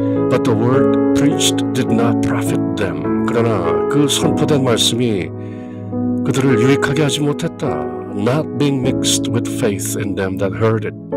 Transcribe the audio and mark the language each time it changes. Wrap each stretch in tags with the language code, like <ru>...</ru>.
<en>But the word preached did not profit them.</en> <ko>그러나 그 선포된 말씀이 그들을 유익하게 하지 못했다.</ko> <en>Not being mixed with faith in them that heard it.</en>